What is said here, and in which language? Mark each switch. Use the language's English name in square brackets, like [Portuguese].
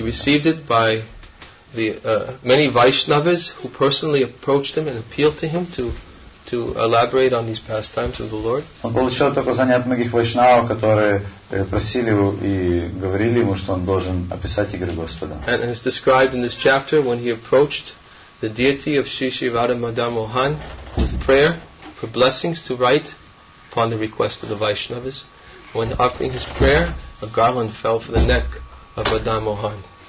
[English] He received it by the many Vaishnavas who personally approached him and appealed to him to elaborate on these pastimes of the Lord. [Russian] Он получил это указание от многих вайшнавов, которые просили его и говорили ему, что он должен описать игры Господа. [English] And it's described in this chapter when he approached the deity of Sri Sri Radha Madan Mohan with prayer for blessings to write upon the request of the Vaishnavas. When offering his prayer, a garland fell for the neck of Madan Mohan.